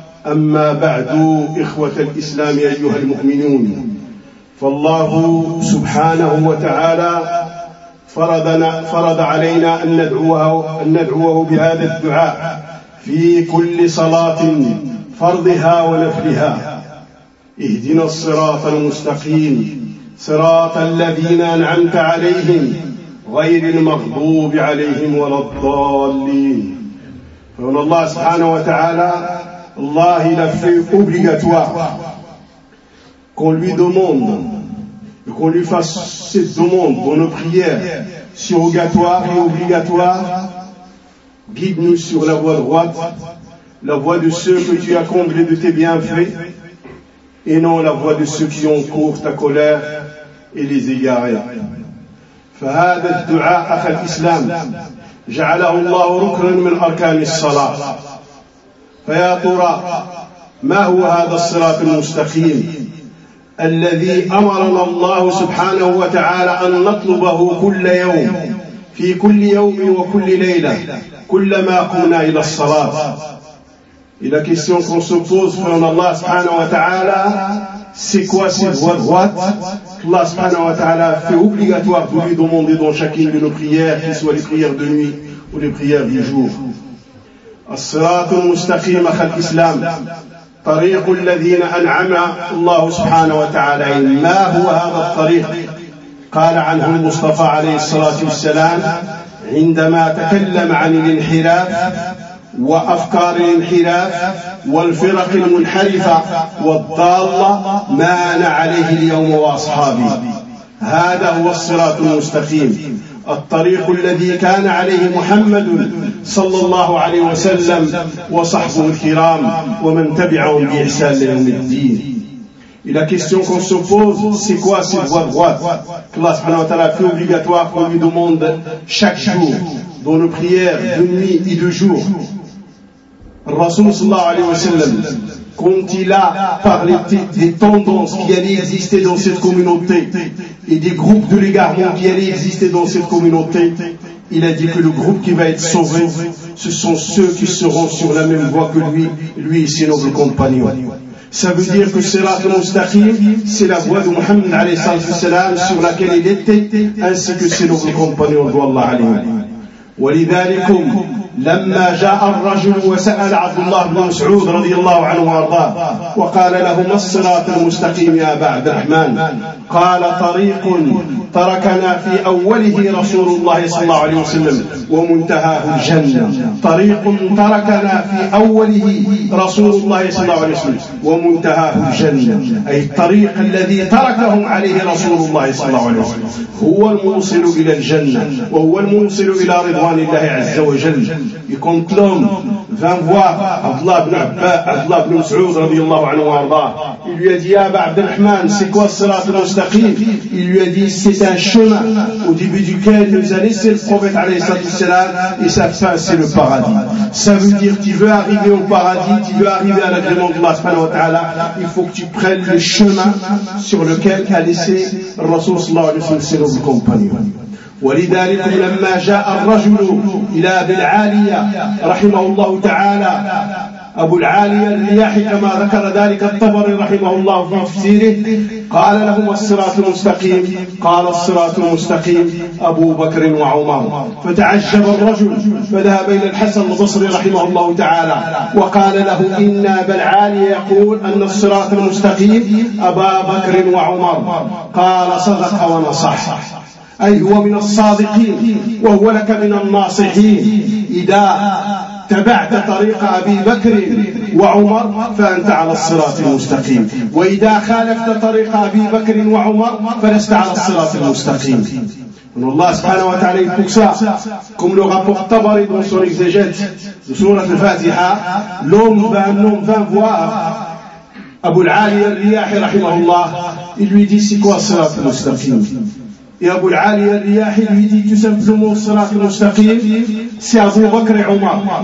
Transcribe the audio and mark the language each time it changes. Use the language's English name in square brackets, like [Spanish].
[Arabic] أما بعد، إخوة الإسلام أيها المؤمنون، فالله سبحانه وتعالى فرض علينا أن ندعوه بهذا الدعاء في كل صلاة فرضها ونفلها: اهدنا الصراط المستقيم، صراط الذين أنعمت عليهم غير المغضوب عليهم ولا الضالين. فمن الله سبحانه وتعالى الله [French] il a fait obligatoire qu'on lui demande et qu'on lui fasse cette demande dans nos prières surrogatoire et obligatoire: guide-nous sur la voie droite, la voie de ceux que tu as comblés de tes bienfaits, et non la voie de ceux qui ont court ta colère et les égarés. [Arabic] فهذا الدعاء أخي الإسلام جعله الله ركنا من أركان الصلاة. فيا ترى ما هو هذا الصراط المستقيم الذي أمرنا الله سبحانه وتعالى أن نطلبه كل يوم، في كل يوم وكل ليلة، كلما قمنا إلى الصلاة؟ إلى [French] question qu'on se pose pour Allah سبحانه وتعالى: c'est quoi cette voie droite qu'Allah subhanahu wa ta'ala fait obligatoire pour lui demander dans chacune de nos prières, qu'il soit les prières de nuit ou les prières du jour? [Arabic] الصراط المستقيم أخي الإسلام طريق الذين أنعم الله سبحانه وتعالى. ما هو هذا الطريق؟ قال عنه المصطفى عليه الصلاة والسلام عندما تكلم عن الانحراف وأفكار الانحراف والفرق المنحرفة والضالة: ما أنا عليه اليوم وأصحابي. هذا هو الصراط المستقيم، الطريق الذي كان عليه محمد صلى الله عليه وسلم وصحبه الكرام ومن تبعهم بإحسان لهم الدين. [French] إلى question qu'on se pose: c'est quoi cette voie droite que Allah subhanahu wa ta'ala fait obligatoire qu'on lui demande chaque jour dans nos prières de nuit et de jour? [Arabic] الرسول صلى الله عليه وسلم كنت لا [French] parler des tendances qui allaient exister dans cette communauté et des groupes de l'égarement qui allaient exister dans cette communauté. Il a dit que le groupe qui va être sauvé, ce sont ceux qui seront sur la même voie que lui et ses nobles compagnons. Ça veut dire que Sirat al-Mustaqim, c'est la voie de Muhammad a.s. sur laquelle il était, ainsi que ses nobles compagnons. [Arabic] ولذلك لما جاء الرجل وسأل عبد الله بن مسعود رضي الله عنه وارضاه وقال له: ما الصراط المستقيم يا أبا عبد الرحمن؟ قال: طريق تركنا في أوله رسول الله صلى الله عليه وسلم ومنتهاه الجنة. طريق تركنا في أوله رسول الله صلى الله عليه وسلم ومنتهاه الجنة، أي الطريق الذي تركهم عليه رسول الله صلى الله عليه وسلم هو الموصل إلى الجنة وهو الموصل إلى رضوان الله عز وجل. [French] et quand l'homme vint voir Abdullah ibn Mas'ud radiyallahu anhu wa arda, il lui a dit: Abba Abdelrahman, c'est quoi le sirat al-mustaqim? Il lui a dit: c'est un chemin au début duquel nous a laissé le prophète alayhi salatu wassalam, et sa fin c'est le paradis. Ça veut dire, tu veux arriver au paradis, tu veux arriver à l'agrément d'Allah subhanahu wa ta'ala, il faut que tu prennes le chemin sur lequel a laissé le Rasoul sallallahu alayhi wa sallam le compagnon. [Arabic] ولذلك لما جاء الرجل إلى أبي العالية رحمه الله تعالى, أبو العالية الرياحي كما ذكر ذلك الطبري رحمه الله في تفسيره, قال له: الصراط المستقيم؟ قال: الصراط المستقيم أبو بكر وعمر. فتعجب الرجل فذهب إلى الحسن البصري رحمه الله تعالى وقال له: إن أبا العالية يقول أن الصراط المستقيم أبا بكر وعمر. قال: صدق ونصح, أي هو من الصادقين وهو لك من الناصحين. إذا تبعت طريق أبي بكر وعمر فأنت على الصراط المستقيم, وإذا خالفت طريق أبي بكر وعمر فلست على الصراط المستقيم. [French] Donc Allah subhanahu wa ta'ala, pour ça, comme le rapport Tabari dans son exégète de sourate al-Fatiha, l'homme va voir Abu al-Ali al-Riyahi rahimahullah, il lui dit: c'est quoi le sirat al-mustaqim? Et Abu al-Ali al-Riyahi lui dit: tout simplement, le sirat al-mustaqim, c'est Abu Bakr et Omar.